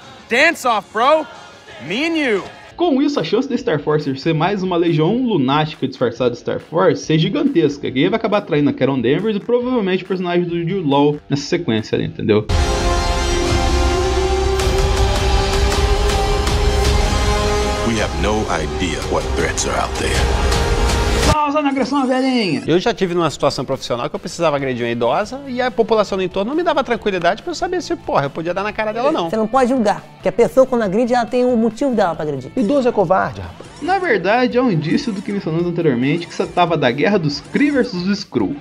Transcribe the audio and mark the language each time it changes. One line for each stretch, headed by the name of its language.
English: Dance off, bro! Me and you!
Portuguese: Com isso, a chance de Star Force ser mais uma legião lunática disfarçada de Star Force ser gigantesca, que vai acabar atraindo a Carol Danvers e provavelmente o personagem do Jude Law nessa sequência ali, entendeu?
English: We have no idea what threats are out there.
Portuguese: Pausa na agressão, velhinha! Eu já tive numa situação profissional que eu precisava agredir uma idosa e a população no entorno não me dava tranquilidade pra eu saber se, porra, eu podia dar na cara dela ou não. Você não pode julgar, porque a pessoa quando agride, ela tem o motivo dela pra agredir. Idoso é covarde, rapaz. Na verdade, é um indício do que mencionamos anteriormente, que se tratava da guerra dos Kree versus o Skrull.